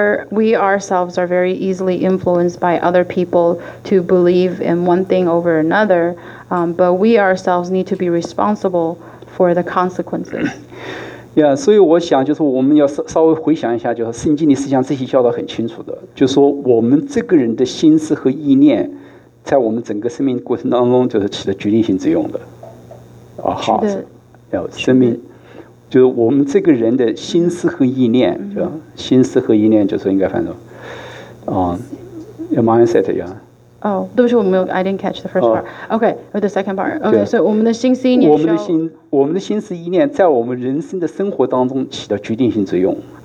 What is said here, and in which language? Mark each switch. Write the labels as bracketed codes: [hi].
[en] We ourselves are very easily influenced by other people to believe in one thing over another, but we ourselves need to be responsible for the consequences. [zh] Yeah, 所以我想就是我们要稍微回想一下，就是圣经里实际上这些教导很清楚的，就是说我们这个人的心思和意念。在我们整个生命过程当中，就是起了决定性作用的。啊，好，要生命，就是我们这个人的心思和意念，对吧？心思和意念就是应该翻译，mindset 呀。哦，对不起，我没有 ， [en] I didn't catch the first part. Okay, the second part. [zh] Okay, so 我们的心思意念，我们的心思意念，在我们人生的生活当中起到决定性作用。